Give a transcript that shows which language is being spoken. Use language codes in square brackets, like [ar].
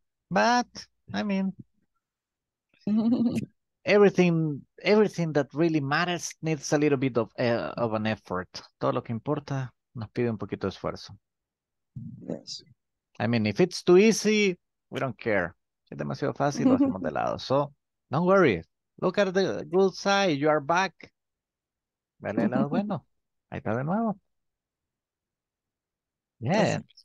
[en] But, I mean, everything that really matters needs a little bit of an effort. [es] Todo lo que importa nos pide un poquito de esfuerzo. [en] Yes. I mean, if it's too easy, we don't care. [es] Es demasiado fácil, lo hacemos de lado. [en] So, don't worry. Look at the good side. You are back. [es] Vale, lado bueno. Ahí está de nuevo. [en] Yeah.